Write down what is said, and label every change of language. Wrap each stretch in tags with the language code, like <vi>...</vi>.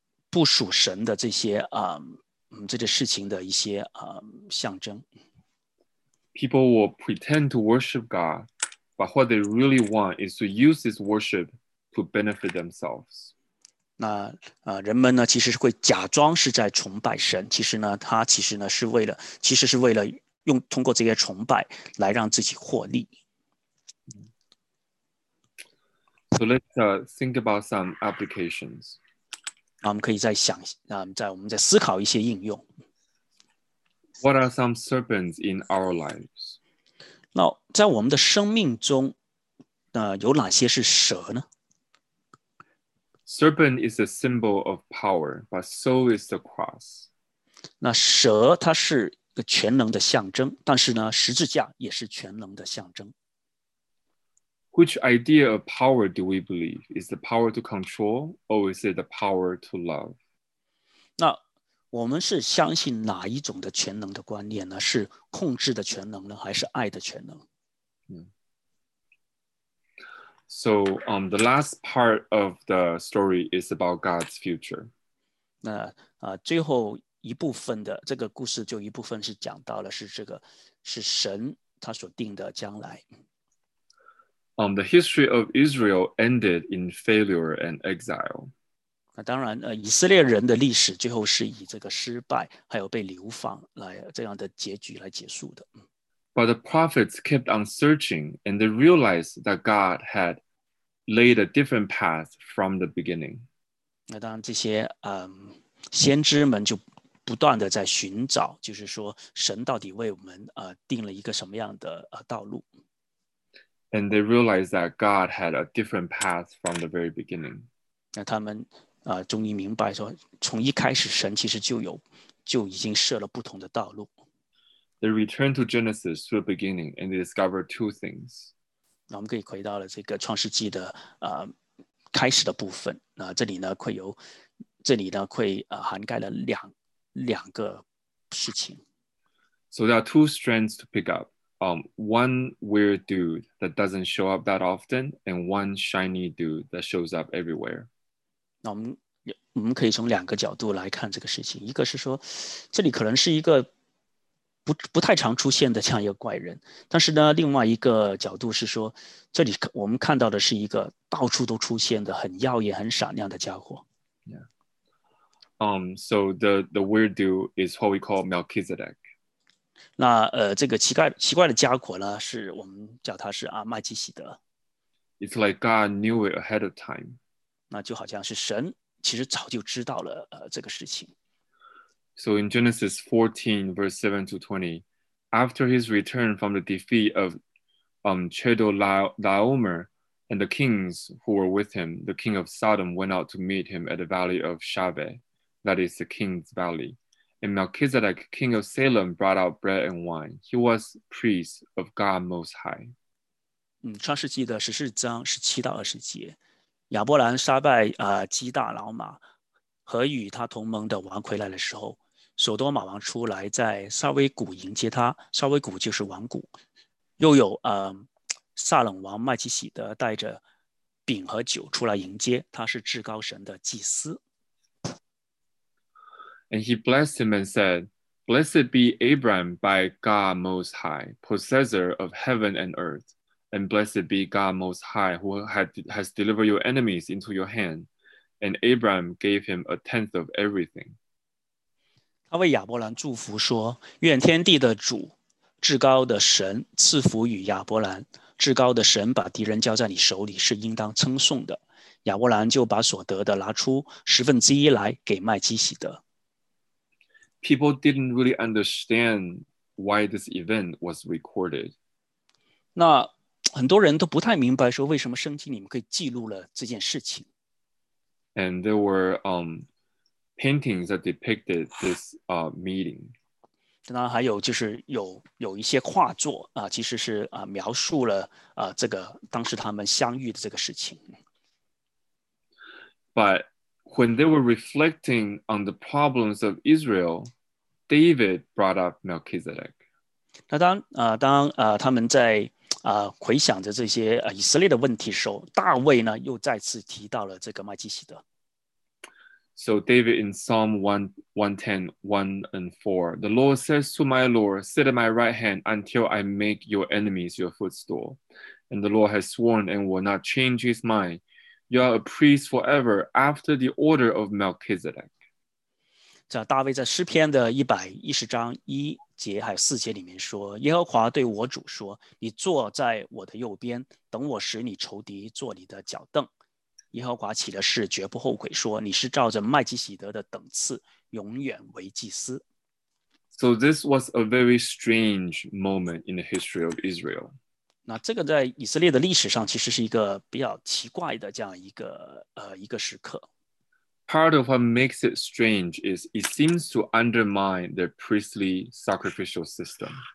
<zh>不属神的这些这些事情的一些象征。</zh> <en>People will pretend to worship God, but what they really want is to use this worship to benefit themselves.</en> <zh>那人们呢，其实是会假装是在崇拜神，其实呢，他其实呢是为了，其实是为了用通过这些崇拜来让自己获利。</zh> <en>So let's think about some applications.</en> <zh>那我们可以再想，我们再思考一些应用。</zh> <en>What are some serpents in our lives?</en> <zh>那在我们的生命中，有哪些是蛇呢？</zh> <en>Serpent is a symbol of power, but so is the cross.</en> <zh>那蛇它是个全能的象征，但是呢，十字架也是全能的象征。</zh> <en>Which idea of power do we believe? Is the power to control, or is it the power to love?</en> <zh>那我们是相信哪一种的全能的观念呢？是控制的全能呢，还是爱的全能？</zh> <en>So, the last part of the story is about God's future.</en> <zh>那最后一部分的这个故事，就一部分是讲到了是这个是神他所定的将来。</zh> <en>The history of Israel ended in failure and exile.</en> <zh>那当然，以色列人的历史最后是以这个失败还有被流放来这样的结局来结束的。</zh> <en>But the prophets kept on searching, and they realized that God had laid a different path from the beginning.</en> <zh>那当然，这些先知们就不断的在寻找，就是说神到底为我们定了一个什么样的道路。</zh> <en>And they realized that God had a different path from the very beginning.</en> <zh>那他们终于明白说，从一开始神其实就已经设了不同的道路。</zh> <en>They return to Genesis to the beginning and they discover two things.</en> <zh>那我们可以回到了这个创世纪的开始的部分。那这里呢会有，这里呢会涵盖了两个事情。</zh> <en>So there are two strands to pick up. One weird dude that doesn't show up that often, and one shiny dude that shows up everywhere.</en> <zh>那我们可以从两个角度来看这个事情。一个是说，这里可能是一个不太常出现的这样一个怪人，但是呢，另外一个角度是说，这里我们看到的是一个到处都出现的很耀眼、很闪亮的家伙。</zh> <en>Yeah. So the weird dude is what we call Melchizedek.</en> <zh>那这个奇怪的家伙呢，是我们叫他是麦基洗德。</zh> <en>It's like God knew it ahead of time.</en> <zh>那就好像是神其实早就知道了这个事情。</zh> <en>So in Genesis 14, verse 7 to 20, after his return from the defeat of Chedorlaomer and the kings who were with him, the king of Sodom went out to meet him at the valley of Shaveh, that is the king's valley. And Melchizedek, king of Salem, brought out bread and wine. He was priest of God Most High.</en> <zh>创世纪的14章17到20节，亚伯兰杀败基大老马和与他同盟的王回来的时候，索多玛王出来在沙威谷迎接他，沙威谷就是王谷。又有撒冷王麦基洗德带着饼和酒出来迎接，他是至高神的祭司。</zh> <en>And he blessed him and said, Blessed be Abram by God Most High, possessor of heaven and earth, and blessed be God Most High, who has delivered your enemies into your hand. And Abraham gave him a tenth of everything.</en> <zh>他为亚伯兰祝福说，愿天地的主，至高的神赐福与亚伯兰，至高的神把敌人交在你手里是应当称颂的。亚伯兰就把所得的拿出十分之一来给麦基洗德。</zh> <en>People didn't really understand why this event was recorded.</en> <zh>那很多人都不太明白说为什么圣经里面可以记录了这件事情。</zh> <en>And there were paintings that depicted this meeting.</en> <zh>那还有就是有一些画作其实是描述了这个当时他们相遇的这个事情。</zh> <en>But when they were reflecting on the problems of Israel, David brought up Melchizedek.</en> <zh>那当他们在回想着这些以色列的问题的时候，大卫呢又再次提到了这个麦基洗德。</zh> <en>So David in Psalm 110, 1 and 4, the Lord says to my Lord, sit at my right hand until I make your enemies your footstool. And the Lord has sworn and will not change his mind. You are a priest forever after the order of Melchizedek.</en> <zh>在大卫在诗篇的110章一节还有四节里面说，耶和华对我主说，你坐在我的右边，等我使你仇敌坐你的脚凳。耶和华起的誓绝不后悔，说你是照着麦基洗德的等次，永远为祭司。</zh> <en>So this was a very strange moment in the history of Israel.</en> <zh>那这个在以色列的历史上其实是一个比较奇怪的这样一个一个时刻。</zh> <en>Part of what makes it strange is it seems to undermine the priestly sacrificial system.</en>